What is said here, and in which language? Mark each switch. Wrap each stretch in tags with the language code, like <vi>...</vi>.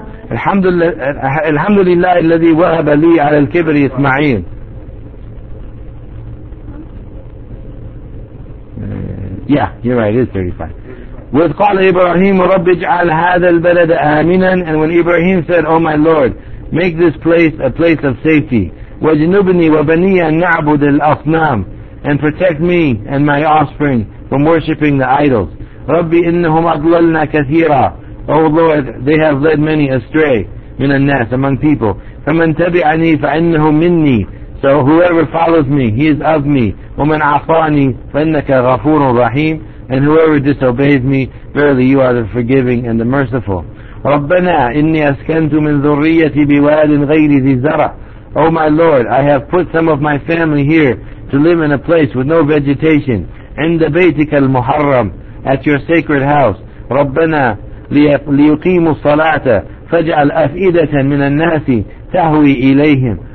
<ar>الحمد لله الذي وهب لي على الكبر إسماعيل.</ar> <en>Yeah, you're right. It is 35.</en> <ar>وإذ قال إبراهيم رب اجعل هذا البلد آمنا.</ar> <en>And when Ibrahim said, "Oh my Lord, make this place a place of safety."</en> <ar>وجنبني وبني أن نعبد الأصنام.</ar> <en>And protect me and my offspring from worshiping the idols.</en> <ar>ربي إنهم أضللنا كثيرا.</ar> <en>Oh Lord, they have led many astray,</en> <ar>من الناس,</ar> <en>among people.</en> <ar>فمن تبعني فإنه مني.</ar> <en>So whoever follows me, he is of me.</en> <ar>ومن عفاني فإنك غفور رحيم.</ar> <en>And whoever disobeys me, verily you are the forgiving and the merciful.</en> <ar>ربنا إني أسكنت من ذريتي بواد غير ذي زرع.</ar> <en>Oh my Lord, I have put some of my family here to live in a place with no vegetation.</en> <ar>عند بيتك المحرم,</ar> <en>at your sacred house.</en> <ar>ربنا لِيُقِيمُوا الصَّلَاةَ فَجْعَلْ أَفْئِدَةً مِنَ النَّاسِ تَهْوِي إِلَيْهِمْ.</ar>